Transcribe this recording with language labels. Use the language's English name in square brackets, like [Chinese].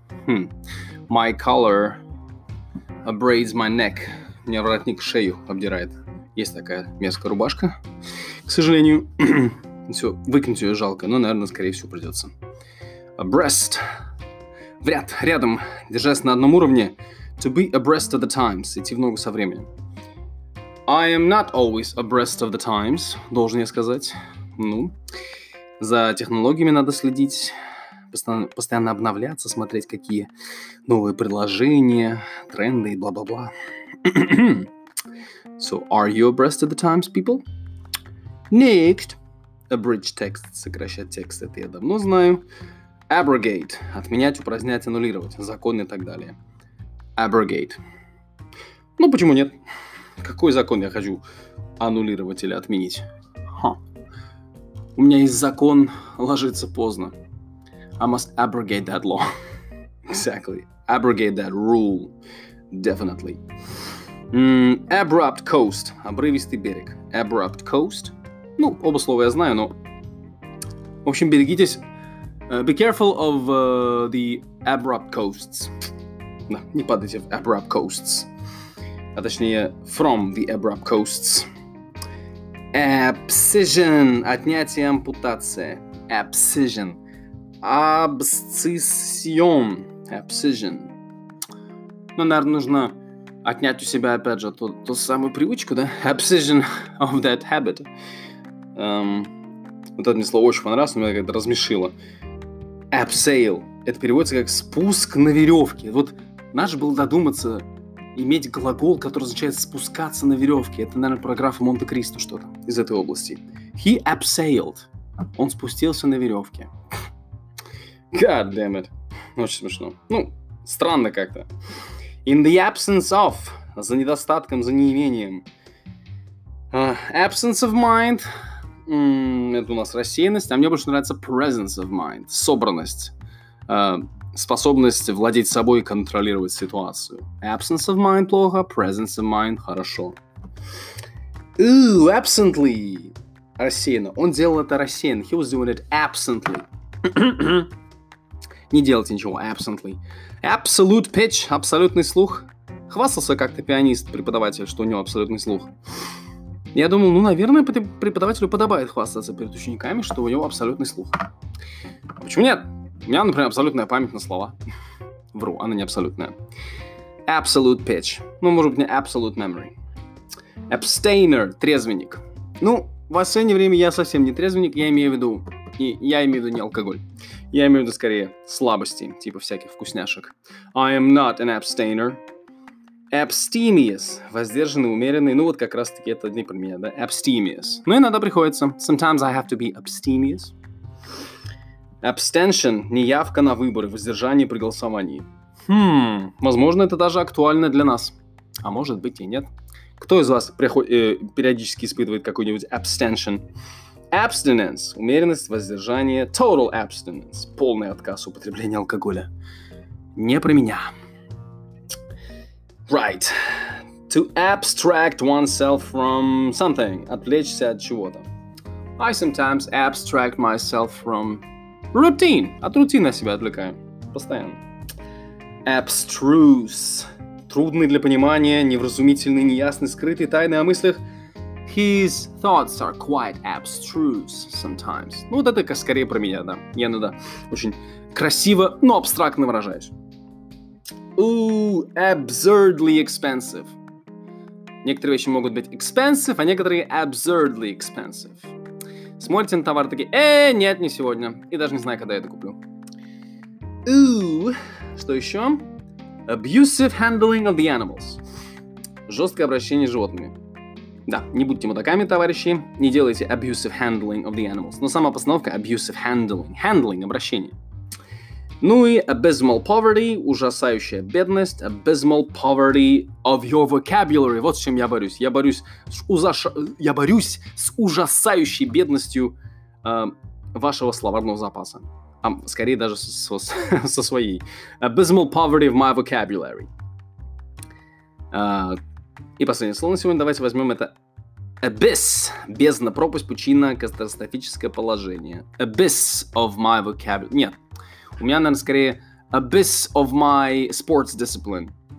[English] My collar abrades my neck. [Russian] У меня воротник шею обдирает. Есть такая мерзкая рубашка, к сожалению. Все, выкинуть ее жалко, но, наверное, скорее всего, придется. [English] Abreast. [Russian] В ряд, рядом, держась на одном уровне. [English] To be abreast of the times. [Russian] Идти в ногу со временем. [English] I am not always abreast of the times, [Russian] должен я сказать. Ну, за технологиями надо следить. Постоянно обновляться, смотреть, какие новые предложения, тренды и бла-бла-бла. [English] So, are you abreast of the times, people? Next. [Russian] Abridge text, сокращать текст, это я давно знаю. Abrogate, отменять, упразднять, аннулировать, закон и так далее. Abrogate. Ну, почему нет? Какой закон я хочу аннулировать или отменить? Ха. У меня есть закон ложиться поздно. [English] I must abrogate that law. Exactly. Abrogate that rule. Definitely. Abrupt coast, [Russian] обрывистый берег. [English] Abrupt coast. [Russian] Ну, оба слова я знаю, но... В общем, берегитесь. [English] Be careful of the abrupt coasts. [Russian] Да, не падайте в [English] abrupt coasts. [Russian] А точнее, [English] from the abrupt coasts. [Russian] Abscission. Отнятие, ампутация. Abscission. Абсциссион. Abscission. Ну, наверное, нужно отнять у себя, опять же, ту самую привычку, да? [English] Abscission of that habit. [Russian] Вот это мне слово очень понравилось, но меня как-то размешило. [English] Abseil. [Russian] Это переводится как спуск на веревке. Вот надо же было додуматься иметь глагол, который означает спускаться на веревке. Это, наверное, про графа Монте-Кристо что-то из этой области. [English] He abseiled. [Russian] Он спустился на веревке. [English] God damn it. [Russian] Очень смешно. Ну, странно как-то. [English] In the absence of. [Russian] За недостатком, за неимением. [English] Absence of mind. [Russian] Это у нас рассеянность, а мне больше нравится [English] presence of mind, [Russian] собранность, способность владеть собой и контролировать ситуацию. [English] Absence of mind [Russian] плохо, [English] presence of mind [Russian] хорошо. [English] Ooh, absently, [Russian] рассеянно. Он делал это рассеянно. [English] He was doing it absently. [Russian] Не делайте ничего absently. [English] Absolute pitch, [Russian] абсолютный слух. Хвастался как-то пианист, преподаватель, что у него абсолютный слух. Я думал, ну, наверное, преподавателю подобает хвастаться перед учениками, что у него абсолютный слух. А почему нет? У меня, например, абсолютная память на слова. Вру, она не абсолютная. [English] Absolute pitch. [Russian] Ну, может быть, не [English] absolute memory. [Russian] Abstainer. Трезвенник. Ну, в последнее время я совсем не трезвенник. Я имею в виду не алкоголь. Я имею в виду, скорее, слабости, типа всяких вкусняшек. [English] I am not an abstainer. Abstemious. [Russian] Воздержанный, умеренный. Ну, вот как раз-таки это не про меня, да? Abstemious. Ну, иногда приходится. [English] Sometimes I have to be abstemious. [Russian] Abstention. Неявка на выборы. Воздержание при голосовании. Возможно, это даже актуально для нас. А может быть и нет. Кто из вас периодически испытывает какой-нибудь abstention? [English] Abstinence. [Russian] Умеренность, воздержание. [English] Total abstinence. [Russian] Полный отказ употребления алкоголя. Не про меня. [English] Right. To abstract oneself from something. [Russian] Отвлечься от чего-то. [English] I sometimes abstract myself from routine. [Russian] От рутины себя отвлекаю. Постоянно. Abstruse. Трудный для понимания, невразумительный, неясный, скрытый, тайный о мыслях. [English] His thoughts are quite abstruse sometimes. [Russian] Ну, вот это скорее про меня, да. Я иногда очень красиво, но абстрактно выражаюсь. [English] Ooh, absurdly expensive. [Russian] Некоторые вещи могут быть expensive, а некоторые [English] absurdly expensive. [Russian] Смотрите на товар, такие, нет, не сегодня. И даже не знаю, когда я это куплю. Ooh, что еще? [English] Abusive handling of the animals. [Russian] Жесткое обращение с животными. Да, не будьте мудаками, товарищи. Не делайте [English] abusive handling of the animals. [Russian] Но сама постановка [English] abusive handling. [Russian] Handling, обращение. Ну и [English] abysmal poverty, [Russian] ужасающая бедность, [English] abysmal poverty of your vocabulary. [Russian] Вот с чем я борюсь. Я борюсь с ужасающей бедностью вашего словарного запаса. А скорее даже со своей. [English] Abysmal poverty of my vocabulary. [Russian] И последнее слово на сегодня. Давайте возьмем это. Abyss. Бездна, пропасть, пучина, катастрофическое положение. [English] Abyss of my vocabulary. [Russian] Нет. У меня, наверное, скорее [English] abyss of my sports discipline.